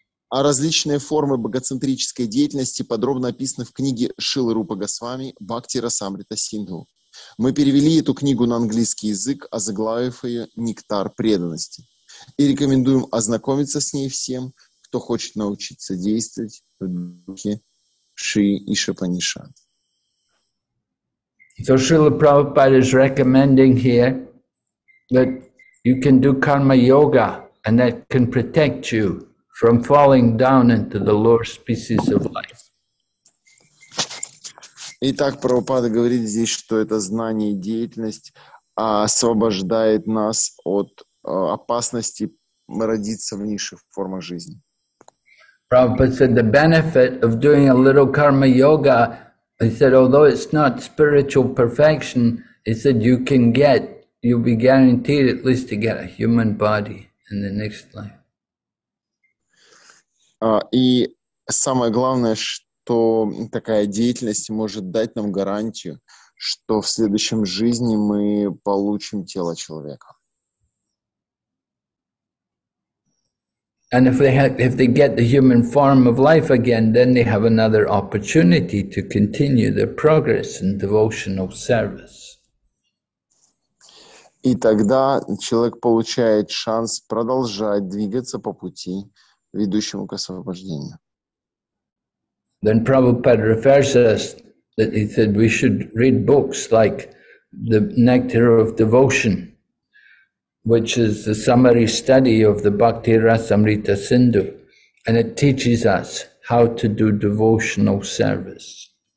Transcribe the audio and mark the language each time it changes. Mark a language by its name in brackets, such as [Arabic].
[Russian] А различные формы богоцентрической деятельности подробно описаны в книге Шилы Рупа Госвами «Бхакти Расамрита Синдху». Мы перевели эту книгу на английский язык, озаглавив ее «Нектар преданности». И рекомендуем ознакомиться с ней всем, кто хочет научиться действовать в духе Шри Ишопанишад. [English] So Srila Prabhupada is recommending here that you can do karma yoga and that can protect you from falling down into the lower species of life. [Russian] Итак, Прабхупада говорит здесь, что это знание и деятельность освобождает нас от опасности родиться в низших формах жизни. [English] Prabhupada said the benefit of doing a little karma yoga, he said, although it's not spiritual perfection, he said, you can get, you'll be guaranteed at least to get a human body in the next life. [Russian] И самое главное, что такая деятельность может дать нам гарантию, что в следующем жизни мы получим тело человека. [English] And if they get the human form of life again, then they have another opportunity to continue their progress in devotional service. [Russian] И тогда человек получает шанс продолжать двигаться по пути, ведущему к освобождению. [English] Then Prabhupada refers us that he said we should read books like the Nectar of Devotion, which is the summary study of the Bhakti Rasamrita Sindhu, and it teaches us how to do devotional service.